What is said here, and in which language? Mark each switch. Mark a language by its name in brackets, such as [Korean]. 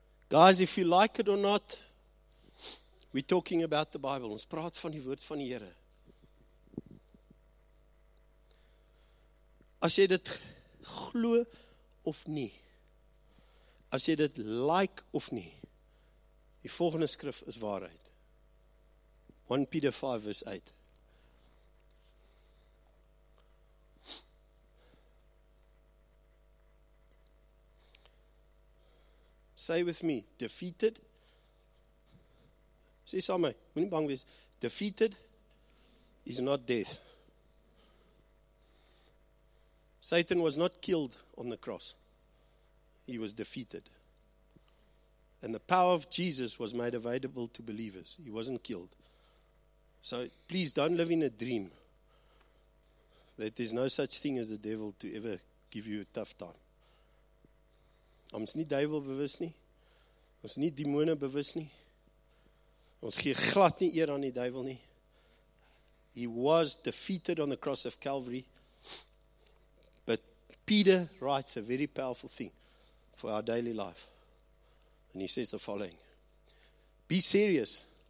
[English] Guys, if you like it or not, we're talking about the Bible. [Afrikaans] Ons praat van die woord van die Here. As jy dit glo of nie, as jy dit like of nie, die volgende skrif is waarheid. 1 Peter 5 vers 8. [English] Say with me, defeated. [Afrikaans] Sê saam met my, moenie bang wees. [English] Defeated is not death. Satan was not killed on the cross. He was defeated. And the power of Jesus was made available to believers. He wasn't killed. So please don't live in a dream that there's no such thing as the devil to ever give you a tough time. [Afrikaans] Ons nie duivel bewus nie. Ons nie demone bewus nie. Ons gee glad nie eer aan die duivel nie. [English] He was defeated on the cross of Calvary. But Peter writes a very powerful thing for our daily life. And he says the following. Be serious